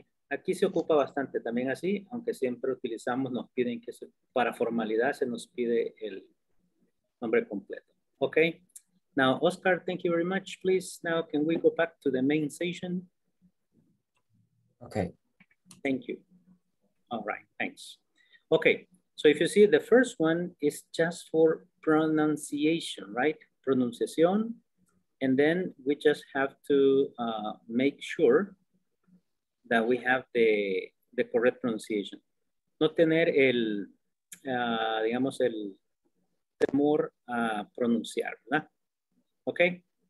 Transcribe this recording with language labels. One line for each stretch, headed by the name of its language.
Spanish: Aquí se ocupa bastante también así, aunque siempre utilizamos, nos piden que se, para formalidad se nos pide el nombre completo.
English: Okay, now Oscar, thank you very much, please. Now can we go back to the main session? Okay. Thank you. All right, thanks. Okay, so if you see the first one is just for pronunciation, right? Pronunciación. And then we just have to make sure that we have the correct pronunciation.
Spanish: No tener el, digamos, el temor a pronunciar, ¿verdad? Okay.